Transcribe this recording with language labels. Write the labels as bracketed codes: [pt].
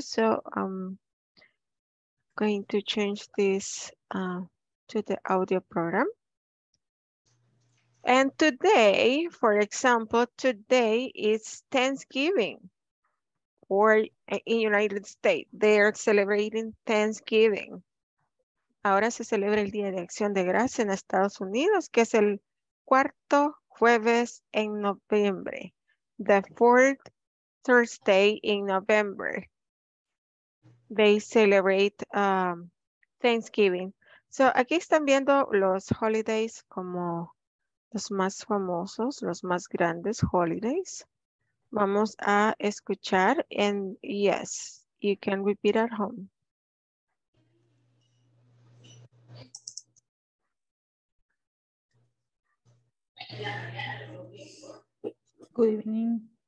[en] So I'm going to change this to the audio program. And today, for example, today is Thanksgiving. Or in United States, they are celebrating Thanksgiving. [es] Ahora se celebra el Día de Acción de Gracias en Estados Unidos, que es el cuarto jueves en noviembre. [en] The fourth Thursday in November, they celebrate Thanksgiving. [es] So aquí están viendo los holidays como los más famosos, los más grandes holidays. Vamos a escuchar, [en] and yes, you can repeat at home. Good evening.